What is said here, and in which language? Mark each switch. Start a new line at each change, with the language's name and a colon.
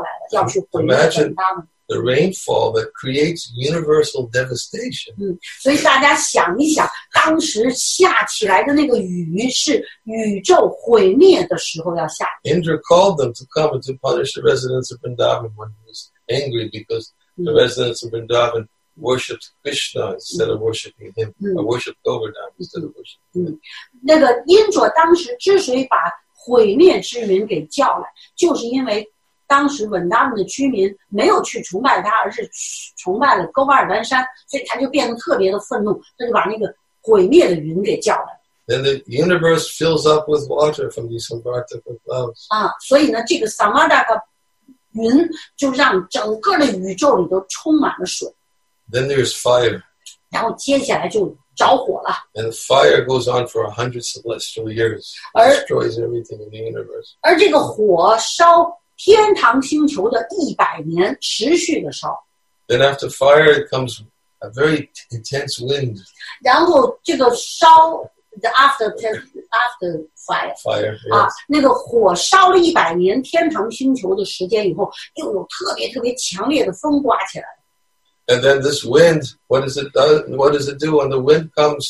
Chinese: 就是当这个Vrindavan的居民没有给Indra做祭祀的时候，Indra当时就把这样的云给叫来了，要去毁灭Vrindavan。
English: The rainfall that creates universal devastation.
Chinese: 所以大家想一想，当时下起来的那个雨是宇宙毁灭的时候要下的。
English: Indra called them to come and to punish the residents of Vrindavan when he was angry because the residents of Vrindavan worshipped Krishna instead of worshipping him, or worshipped Govardhan instead of worshipping him.
Chinese: 那个Indra当时之所以把毁灭之云给叫来，就是因为 当时文达姆的居民没有去崇拜他，而是崇拜了高巴尔丹山，所以他就变得特别的愤怒，他就把那个毁灭的云给叫来。
English: Then the universe fills up with water from these Samvartika clouds.
Chinese: 所以呢，这个 Samvartika 云就让整个的宇宙里都充满了水。
English: Then there's fire.
Chinese: 然后接下来就着火了。
English: And fire goes on for 100 celestial years, destroys everything in the universe.
Chinese: 而这个火烧 天堂星球的一百年持续的烧。
English: Then after fire, it comes a very intense wind.
Chinese: 然后这个烧,
English: after fire
Chinese: 啊，那个火烧了100年天堂星球的时间以后，又有特别特别强烈的风刮起来。
English: And then this wind, what does it do? What does it do when the wind comes?